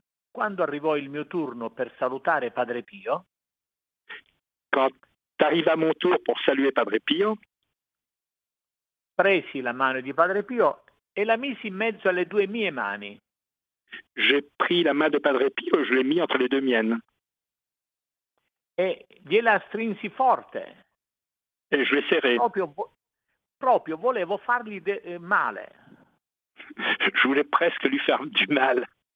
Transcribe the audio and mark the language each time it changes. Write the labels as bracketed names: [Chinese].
[Italian] Quando arrivò il mio turno per salutare Padre Pio, [French] quand arriva mon tour pour saluer Padre Pio, [Italian] presi la mano di Padre Pio e la misi in mezzo alle due mie mani. [French] J'ai pris la main de Padre Pio e je l'ai mis entre le due miennes. [Italian] E gliela strinsi forte. [French] E je l'ai serré. [Italian] Proprio volevo fargli male. [French] Je voulais presque lui faire du mal.